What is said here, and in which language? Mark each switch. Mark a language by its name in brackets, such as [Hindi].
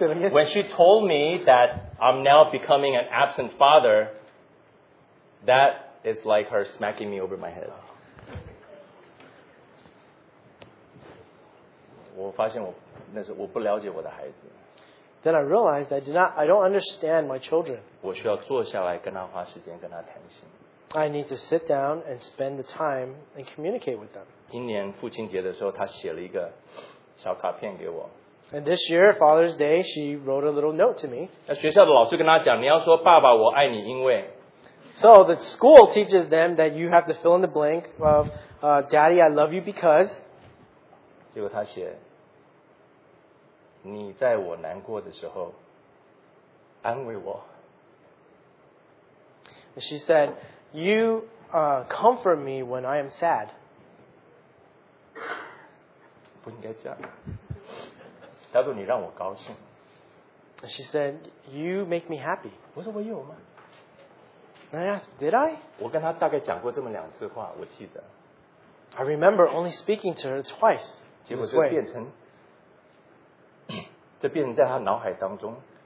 [English] When she told me that I'm now becoming an absent father, that is like her smacking me over my head. [Chinese] 我发现我那是我不了解我的孩子。 [English] Then I realized I don't understand my children. [Chinese] 我需要坐下来跟他花时间跟他谈心。 [English] I need to sit down and spend the time and communicate with them. [Chinese] 今年父亲节的时候，他写了一个小卡片给我。 [English] And this year Father's Day, she wrote a little note to me. [Chinese] 那学校的老师跟他讲，你要说爸爸我爱你，因为。 [English] So the school teaches them that you have to fill in the blank of Daddy, I love you because. [Chinese] 结果他写：“你在我难过的时候安慰我。” [English] She said, "You comfort me when I am sad." [Chinese] 不应该这样。他说：“你让我高兴。” [English] She said, "You make me happy." [Chinese] 我说：“我有吗？” [English] And I asked, did I? [Chinese] 我跟他大概讲过这么两次话, [English] I remember only speaking to her twice. [Chinese] 结果就变成, 这变成在她脑海当中,